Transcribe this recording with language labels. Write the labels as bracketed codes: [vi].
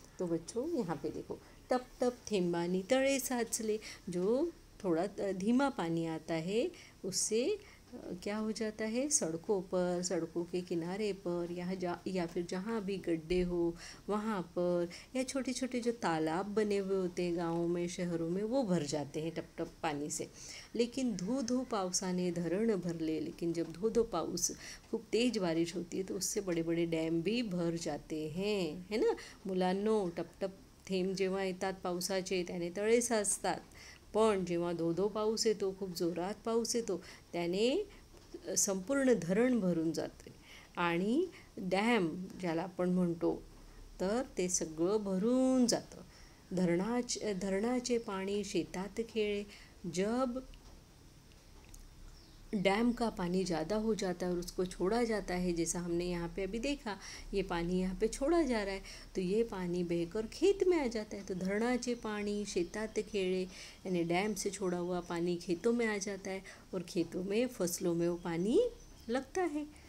[hi] तो बच्चों यहाँ पे देखो [mr] टप टप थेम्बा नितळे साचले, [hi] जो थोड़ा धीमा पानी आता है उससे क्या हो जाता है, सड़कों पर, सड़कों के किनारे पर, या फिर जहाँ भी गड्ढे हो वहाँ पर, या छोटे छोटे जो तालाब बने हुए होते हैं गाँवों में शहरों में, वो भर जाते हैं टप टप पानी से। लेकिन [mr] धो धो पावसाने धरण भर ले, [hi] लेकिन जब धो धो पाउस खूब तेज बारिश होती है तो उससे बड़े बड़े डैम भी भर जाते हैं, है ना। [mr] मुलांनो, टप टप थेंब जेव्हा येतात पावसाचे त्याने तळे साचतात, पण जेव्हा धो धो पाऊस येतो खूप जोरात पाऊस येतो त्याने संपूर्ण धरण भरून जाते, आणि डॅम ज्याला आपण म्हणतो तर ते सगळं भरून जातं। धरणाचे पाणी शेतात खेळे। [hi] जब डैम का पानी ज़्यादा हो जाता है और उसको छोड़ा जाता है, जैसा हमने यहाँ पे अभी देखा ये पानी यहाँ पे छोड़ा जा रहा है, तो ये पानी बहकर खेत में आ जाता है। तो [mr] धरणाचे पाणी शेतात खेळे, [hi] यानी डैम से छोड़ा हुआ पानी खेतों में आ जाता है और खेतों में फसलों में वो पानी लगता है।